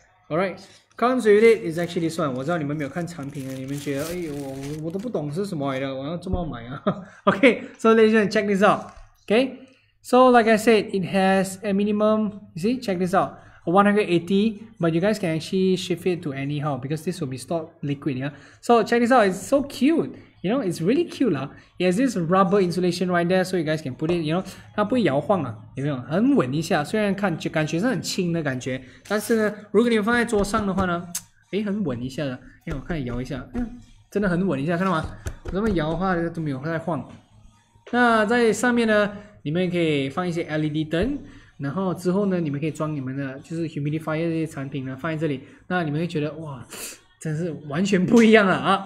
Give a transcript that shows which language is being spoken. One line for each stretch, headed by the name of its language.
English: All right, comes with it is actually this one.
Chinese: 我知道你们没有看产品啊，你们觉得哎呦我都不懂是什么来的，我要这么买啊。
English: Okay, so ladies and gentlemen, check this out. Okay, so like I said, it has a minimum. You see, check this out. 180, but you guys can actually shift it to anyhow, because this will be stored liquid, yeah. So check this out, it's so cute. You know, it's really cute lah. It has this rubber insulation right there, so you guys can put it, you know,
Chinese: 它不会摇晃啊，有没有？很稳一下，虽然看就感觉是很轻的感觉，但是呢，如果你放在桌上的话呢，诶，很稳一下的。诶，我看你摇一下，真的很稳一下，看到吗？我这么摇的话都没有在晃。那在上面呢，你们可以放一些 LED 灯，然后之后呢，你们可以装你们的就是 humidifier 这些产品呢放在这里，那你们会觉得哇，真是完全不一样了啊！